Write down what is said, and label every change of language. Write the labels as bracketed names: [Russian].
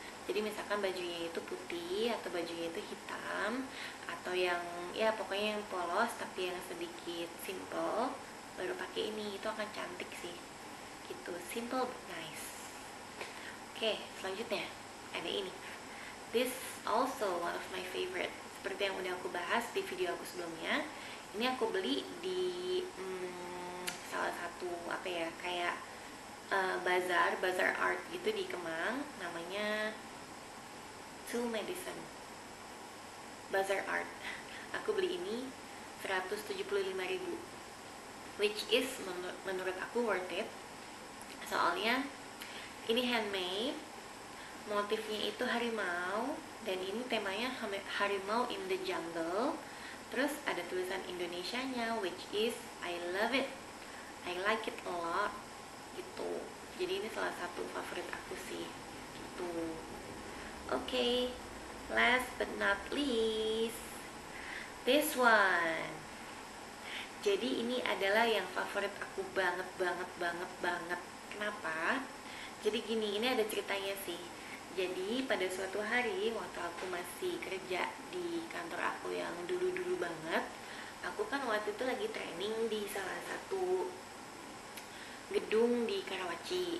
[Indonesian] Jadi misalkan bajunya itu putih atau bajunya itu hitam atau yang ya pokoknya yang polos tapi yang sedikit simple, baru pakai ini, itu akan cantik sih. Gitu, [English] simple but nice. [Indonesian] Oke, selanjutnya ada ini. [English] This also one of my favorite. [Indonesian] Seperti yang udah aku bahas di video aku sebelumnya, ini aku beli di salah satu apa ya, kayak bazar art gitu di Kemang, namanya Two Medicine Bazaar Art. Aku beli ini 175.000, [English] which is [Indonesian] menurut aku [English] worth it. [Indonesian] Soalnya ini handmade, motifnya itu harimau, dan ini temanya harimau [English] in the jungle. [Indonesian] Terus ada tulisan Indonesianya, [English] which is I love it, I like it a lot. [Indonesian] Gitu. Jadi ini salah satu favorit aku sih. Gitu. [English] Oke, okay, last but not least, this one. [Indonesian] Jadi ini adalah yang favorit aku banget, banget, banget, banget. Kenapa? Jadi gini, ini ada ceritanya sih. Jadi pada suatu hari, waktu aku masih kerja di kantor aku yang dulu-dulu banget, aku kan waktu itu lagi training di salah satu gedung di Karawaci.